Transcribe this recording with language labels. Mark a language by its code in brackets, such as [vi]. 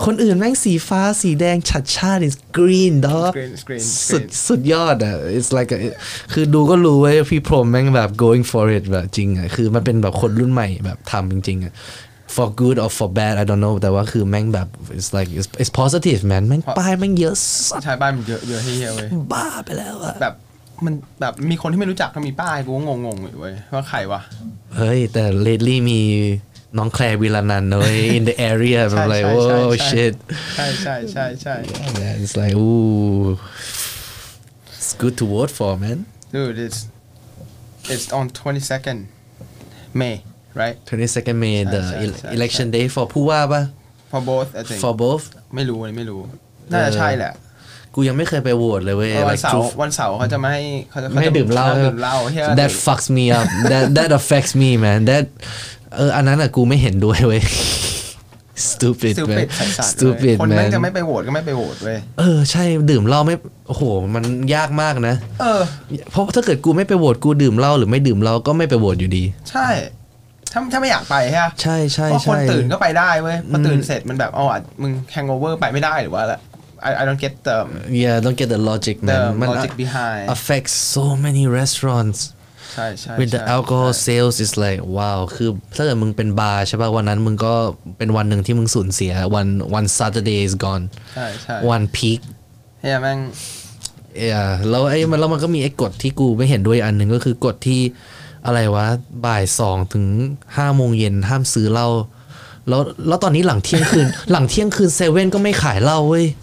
[th] คนอื่นแม่งสีฟ้าสีแดงชัดชาติ [en] is green [th] ดอกสุดยอดอ่ะ it's like คือดูก็รู้เว้ยพี่พรหมแม่งแบบ [en] going for it [th] แบบจริงอ่ะคือมันเป็นแบบคนรุ่นใหม่แบบทำจริงๆอ่ะ [en] for good or for bad I don't know [th] แต่ว่าคือแม่งแบบ [en] it's like it's positive man [th] แม่งป้ายแม่งเยอะสัตว์ใช่ป้ายมันเยอะเฮียเว้ย บ้าไปแล้วอะ แบบมันแบบมีคนที่ไม่รู้จักก็มีป้ายกูก็งงเว้ยว่าใครวะ เฮ้ยแต่ lately มีน้องแคลร์วิลานันเนย [en] in the area [th] แบบ [en] like oh shit [th] ใช่ [en] man it's like ooh it's good to vote for man dude it's on 22nd MayRight 22nd May the election day for [th] ผู้ว่าป่ะ [en] for both I think for both [th] ไม่รู้น่าจะใช่แหละ กูยังไม่เคยไปโหวตเลยเว้ย วันเสาร์เขาจะไม่ให้เขาจะ ไม่ดื่มเหล้า เฮ้ย [en] that fucks me up that affects me man that [th] อันนั้นอ่ะกูไม่เห็นด้วยเว้ย [en] stupid man stupid man [th] คนแม่งจะไม่ไปโหวตก็ไม่ไปโหวตเว้ย เออใช่ดื่มเหล้าไม่โอ้โหมันยากมากนะ เออ เพราะถ้าเกิดกูไม่ไปโหวตกูดื่มเหล้าหรือไม่ดื่มเหล้าก็ไม่ไปโหวตอยู่ดี ใช่ถ้าไม่อยากไปใช่ป่ะ ใช่ใช่ เพราะคนตื่นก็ไปได้เว้ยพอตื่นเสร็จมันแบบเอาอ่ะมึงแฮงโอเวอร์ไปไม่ได้หรือว่าละ [en] I don't get the yeah don't get the logic man the logic behind affects so many restaurants [th] ใ ใช่ [en] with the alcohol sales is like wow [th] คือถ้าเกิดมึงเป็นบาร์ใช่ป่ะวันนั้นมึงก็เป็นวันหนึ่งที่มึงสูญเสีย [en] one Saturday is gone [th] ใช่ [en] one peak [th] เฮ้ยแม่ง เออแล้วไอ้แล้วมันก็มีไอ้กฎที่กูไม่เห็นด้วยอันหนึ่งก็คือกฎที่อะไรวะบ่ายสองถึงห้าโมงเย็นห้ามซื้อเหล้าแล้วตอนนี้หลังเที่ยงคืน หลังเที่ยงคืนเซเว่นก็ไม่ขายเหล้าเว้ย